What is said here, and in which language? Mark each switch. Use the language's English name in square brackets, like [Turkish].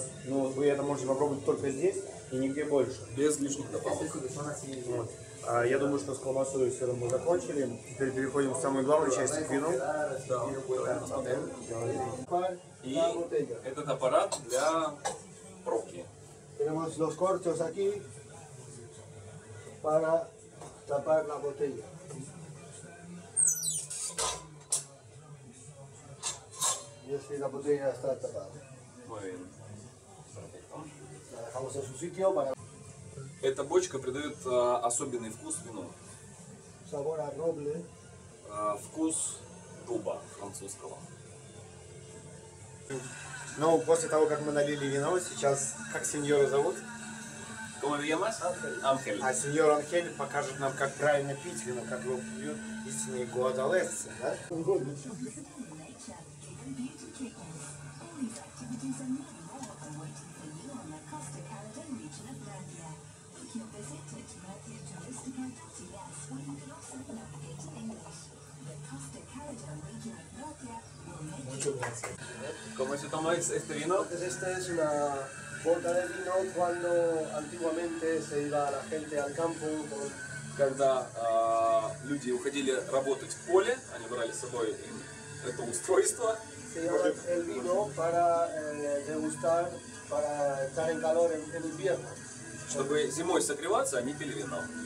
[Russian] Ну, вы это можете попробовать только здесь и нигде больше. Без лишних добавок. Я думаю, что с колбасой и сыром мы закончили. Теперь переходим к самой главной части, к вину. Да. И этот аппарат для пробки. [Spanish] Tenemos los corchos aquí para tapar la botella. Y así la botella está tapada. Muy bien. Perfecto. La dejamos en su sitio para... [Russian] Эта бочка придает особенный вкус вину. [Spanish] Sabor a roble. [Russian] Вкус дуба французского. Ну, после того, как мы налили вино, сейчас как сеньора зовут? [Spanish] Como le llamas? Ángel. [Russian] А сеньор Ángel покажет нам, как правильно пить вино, как его пьют истинные гуадалесцы, да? [Spanish] ¿Cómo se toma este vino? Pues esta es una bota de vino cuando antiguamente se iba la gente al campo. [Russian] Когда люди уходили работать в поле, они брали с собой это устройство. [Spanish] Se llevaban el vino para degustar, para estar en calor en invierno. [Russian] Чтобы зимой согреваться, они пили вино.